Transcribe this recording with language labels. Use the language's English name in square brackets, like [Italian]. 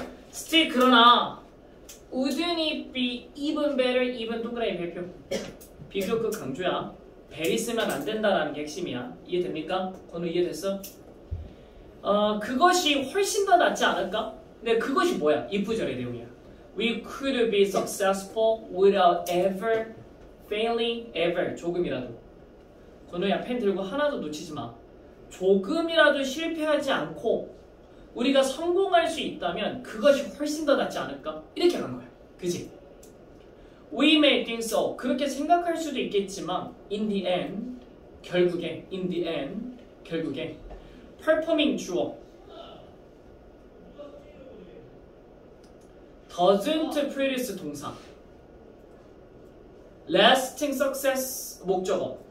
[English] Still [Korean] 그러나 [English] wouldn't it be even better even [Korean] 동그라미 발표. 비교 그 강조야. 베리 쓰면 안 된다라는 게 핵심이야. 이해됩니까? 권우 이해됐어? 그것이 훨씬 더 낫지 않을까? 근데 그것이 뭐야? 이프절의 내용이야. [English] We could be successful without ever failing ever. [Korean] 조금이라도. 권우야 펜 들고 하나도 놓치지 마. 조금이라도 실패하지 않고 우리가 성공할 수 있다면 그것이 훨씬 더 낫지 않을까? 이렇게 간 거야. 그지? [English] We may think so. [Korean] 그렇게 생각할 수도 있겠지만 [English] in the end, [Korean] 결국에 [English] in the end, 결국에 performing 주어 doesn't produce 동사 lasting success 목적어.